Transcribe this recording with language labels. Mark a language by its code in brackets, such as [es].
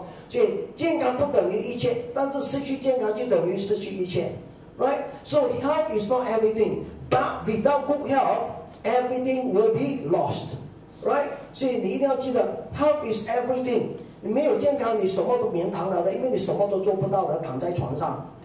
[zh] 所以健康不等于一切，但是失去健康就等于失去一切 ， [en] right? So health is not everything, but without good health, everything will be lost, right? [zh] 所以你一定要记得 ， [en] health is everything. [zh] 你没有健康，你什么都免谈了，因为你什么都做不到了，躺在床上。